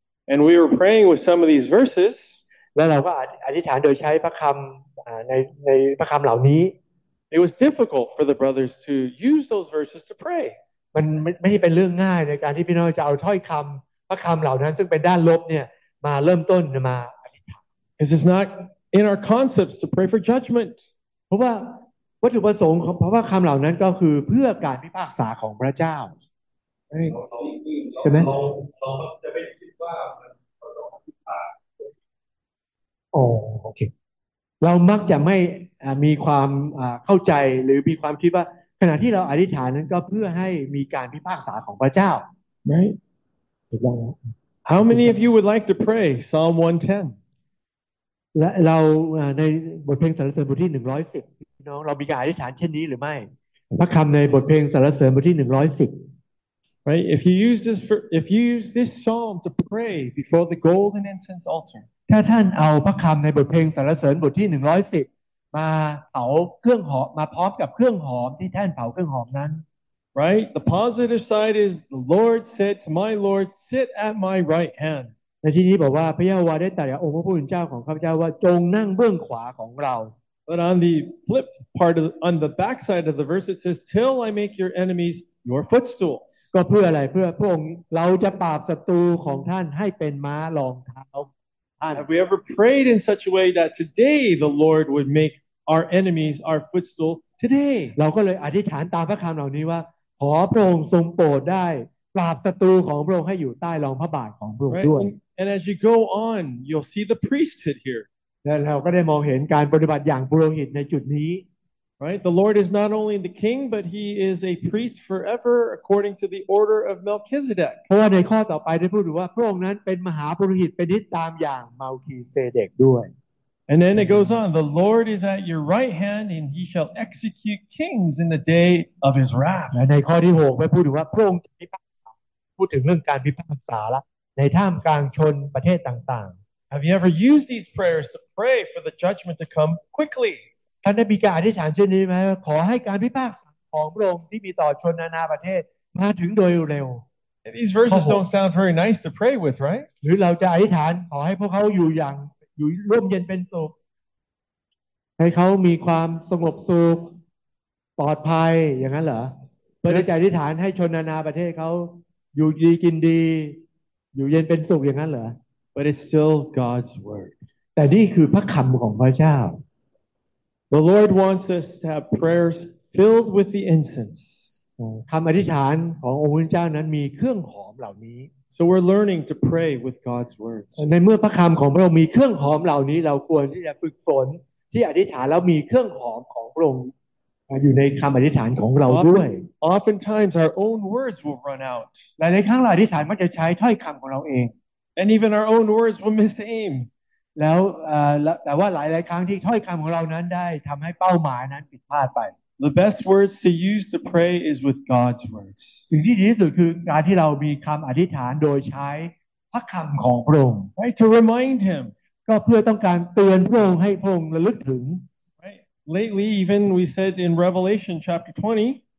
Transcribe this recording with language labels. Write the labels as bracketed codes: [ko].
[en] And we were praying with some of these verses [th] แล้วเราก็อธิษฐานโดยใช้พระคำในพระคำเหล่านี้ [en] It was difficult for the brothers to use those verses to pray. [th] มันไม่ใช่เป็นเรื่องง่ายในการที่พี่น้องจะเอาถ้อยคำพระคำเหล่านั้นซึ่งเป็นด้านลบเนี่ยมาเริ่มต้นมาอธิษฐาน [en] This is not in our concepts to pray for judgment. [th] เพราะว่าวัตถุประสงค์ของพระคำเหล่านั้นก็คือเพื่อการพิพากษาของพระเจ้า ใช่ไหมเราจะไม่คิดว่า โอเคเรามักจะไม่มีความเข้าใจหรือมีความคิดว่าขณะที่เราอธิษฐานนั้นก็เพื่อให้มีการพิพากษาของพระเจ้า [en] right How many of you would like to pray Psalm 110 [th] และเราในบทเพลงสรรเสริญบทที่110พี่น้องเรามีการอธิษฐานเช่นนี้หรือไม่พระคำในบทเพลงสรรเสริญบทที่110 [en] right if you use this psalm to pray before the golden incense altar [th] ถ้าท่านเอาพระคำในบทเพลงสรรเสริญบทที่110มาเผาเครื่องหอมมาพร้อมกับเครื่องหอมที่ท่านเผาเครื่องหอมนั้น [en] right the positive side is the lord said to my lord sit at my right hand [th] ในที่นี้บอกว่าพระเยโฮวาห์ได้ตรัสกับองค์พระผู้เป็นเจ้าของข้าพเจ้าว่าจงนั่งเบื้องขวาของเรา [en] but on the flip part of on the back side of the verse it says till I make your enemies your footstools [th] ก็เพื่ออะไรเพื่อพระองค์เราจะปราบศัตรูของท่านให้เป็นม้ารองเท้า [en] Have we ever prayed in such a way that today the Lord would make our enemies our footstool today? [th] เราก็เลยอธิษฐานตามพระคำเหล่านี้ว่าขอพระองค์ทรงโปรดได้ปราบศัตรูของพระองค์ให้อยู่ใต้รองพระบาทของพระองค์ด้วย [en] And as you go on, you'll see the priesthood here. [th] เราก็ได้มองเห็นการปฏิบัติอย่างปุโรหิตในจุดนี้ [en] Right? The Lord is not only the king, but he is a priest forever according to the order of Melchizedek. [th] เพราะในข้อต่อไปได้พูดถึงว่าพระองค์นั้นเป็นมหาปุโรหิตเป็นนิตตามอย่างเมลคีเซเดกด้วย [en] And then it goes on, the Lord is at your right hand and he shall execute kings in the day of his wrath. [th] และในข้อที่6ได้พูดถึงว่าพระองค์จะพิพากษาพูดถึงเรื่องการพิพากษาละในท่ามกลางชนประเทศต่าง [en] ๆ Have you ever used these prayers to pray for the judgment to come quickly? [th] ท่านได้มีการอธิษฐานเช่นนี้ไหมขอให้การพิพากษาของพระองค์ที่มีต่อชนนานาประเทศมาถึงโดยเร็ว [en] These verses don't sound very nice to pray with, right? [th] หรือเราจะอธิษฐานขอให้พวกเขาอยู่อย่างอยู่ร่มเย็นเป็นสุขให้เขามีความสงบสุขปลอดภัยอย่างนั้นเหรอไม่ได้จะอธิษฐานให้ชนนานาประเทศเขาอยู่ดีกินดีอยู่เย็นเป็นสุขอย่างนั้นเหรอ [en] But it's still God's word. [th] แต่นี่คือพระคำของพระเจ้า [en] The Lord wants us to have prayers filled with the incense. [th] คำอธิษฐานขององค์เจ้านั้นมีเครื่องหอมเหล่านี้ [en] So we're learning to pray with God's word. [th] ในเมื่อพระคำของพระองค์มีเครื่องหอมเหล่านี้เราควรที่จะฝึกฝนที่อธิษฐานแล้วมีเครื่องหอมของพระองค์อยู่ในคำอธิษฐานของเราด้วย [en] Oftentimes our own words will run out. [th] หลายครั้งเราอธิษฐานมักจะใช้ถ้อยคำของเราเอง [en] And even our own words will miss aim. [th] แล้วแต่ว่าหลายครั้งที่ถ้อยคำของเรานั้นได้ทำให้เป้าหมายนั้นผิดพลาดไป [en] The best words to use to pray is with God's words. [th] สิ่งที่ดีที่สุดคือการที่เรามีคำอธิษฐานโดยใช้พระคำของพระองค์ [en] Right to remind Him. [th] ก็เพื่อต้องการเตือนพระองค์ให้พระองค์ระลึกถึง [en] Right. Lately, even we said in Revelation chapter 20.